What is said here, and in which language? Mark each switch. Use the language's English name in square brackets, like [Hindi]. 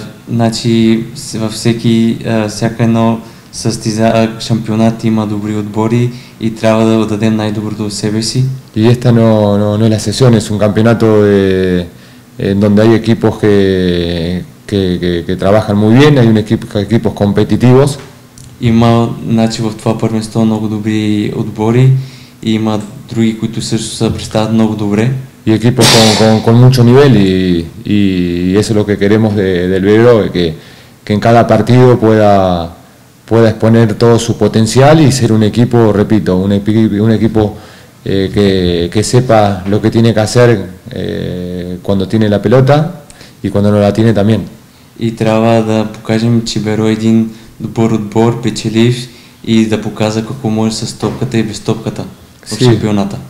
[Bulgarian] Значи във всеки всяка едно шампионат има добри отбори и трябва да дадем най-доброто от себе си. [Spanish] И esta no es la sesión, es un campeonato de en donde hay equipos que trabajan muy bien, hay equipos competitivos. [Bulgarian] Има, значи в това първенство много добри отбори и има други, които също се представят много добре. [Spanish] Y equipos con mucho nivel y eso es lo que queremos del Berue, que en cada partido pueda exponer todo su potencial y ser un equipo, repito, un equipo que sepa lo que tiene que hacer cuando tiene la pelota y cuando no la tiene también. [Bulgarian] И трябва да покажем, че Беро е един добър отбор, печелив и да показа какво може с топката и без топката в шампионата.